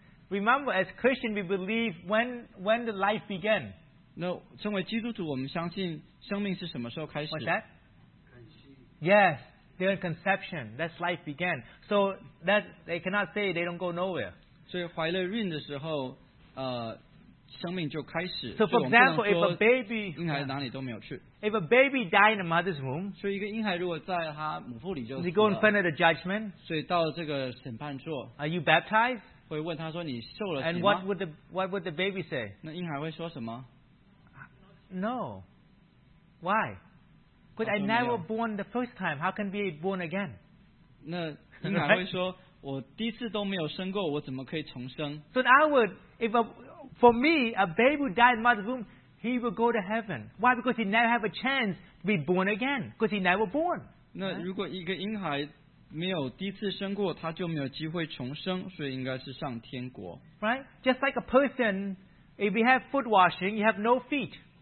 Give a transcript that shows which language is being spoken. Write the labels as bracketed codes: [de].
[en] Remember, as Christian, we believe when the life began. [zh] No, 成为基督徒，我们相信生命是什么时候开始。 [en] What's that? Yes, their conception. That's life began. So that they cannot say they don't go nowhere. [zh] 所以怀了孕的时候，生命就开始。 [en] So for example, if a baby [zh] 婴孩哪里都没有去。 [en] If a baby died in the mother's womb, [zh] 所以一个婴孩如果在他母腹里就死了。 [en] They go in front of the judgment. [zh] 所以到这个审判座。 [en] Are you baptized? [zh] 会问他说你受了洗吗? [en] And what would the baby say? [zh] 那婴孩会说什么? [en] No. Why? But I never born the first time. How can be born again? [zh] 那婴孩会说我第一次都没有生过, 我怎么可以重生? [en] So I would, if a, for me, a baby died in mother's womb, he would go to heaven. Why? Because he never have a chance to be born again. Because he never born. [zh] 那如果一个婴孩 没有第一次生过，他就没有机会重生，所以应该是上天国。 [en] Right? Just like a person, if you have foot washing, you have no feet.